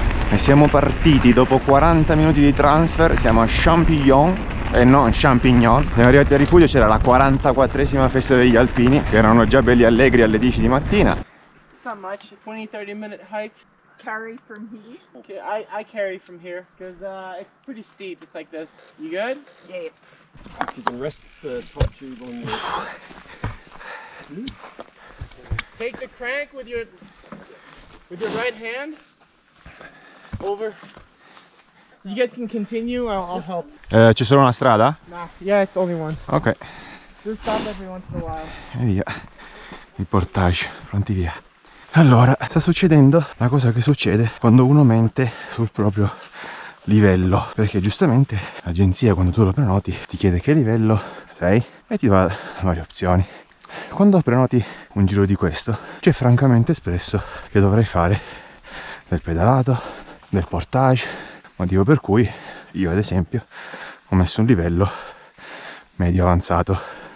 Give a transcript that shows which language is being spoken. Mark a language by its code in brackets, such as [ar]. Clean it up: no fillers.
[it] E siamo partiti dopo 40 minuti di transfer, siamo a Champignon, non Champignon. Siamo arrivati al rifugio, c'era la 44esima festa degli alpini, che erano già belli allegri alle 10 di mattina. Non è molto, 20-30 minuti hike. [en] Carry from here. Okay, I carry from here, because it's pretty steep, it's like this. You good? Yeah. You can rest the top tube on your... Take the crank with your right hand. Over. So you guys can continue, I'll help. [it] C'è solo una strada? [en] Nah, yeah, it's only one. Ok. Just stop every once in a while. [it] E via. Il portage, pronti via. Allora, sta succedendo la cosa che succede quando uno mente sul proprio livello. Perché giustamente l'agenzia, quando tu lo prenoti, ti chiede che livello sei e ti dà varie opzioni. Quando prenoti un giro di questo, c'è francamente espresso che dovrei fare del pedalato, del portage, motivo per cui io ad esempio ho messo un livello medio avanzato.